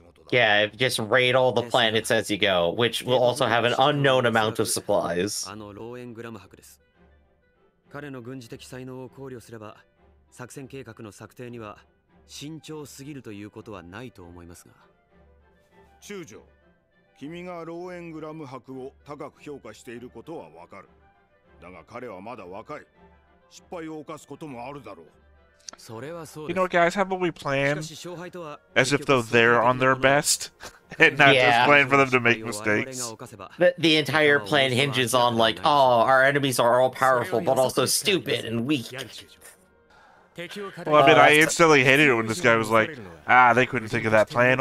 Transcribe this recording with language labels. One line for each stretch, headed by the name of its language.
English: Yeah, just raid all the planets as you go, which will also have an unknown amount of supplies.
Japanese: あのローエングラム博です。彼の軍事的才能を考慮すれば、作戦計画の策定には慎重すぎるということはないと思いますが。中将、君がローエングラム博を高く評価していることはわかる。だが彼はまだ若い。失敗を犯すこともあるだろう。それはそう。
English: You know, guys, how about we plan as if though they're on their best, and not just plan for them to make mistakes. The entire plan hinges on like, oh, our enemies are all powerful but also stupid and weak. Well, I mean, I instantly hated it when this guy was like, ah, they couldn't think of that plan.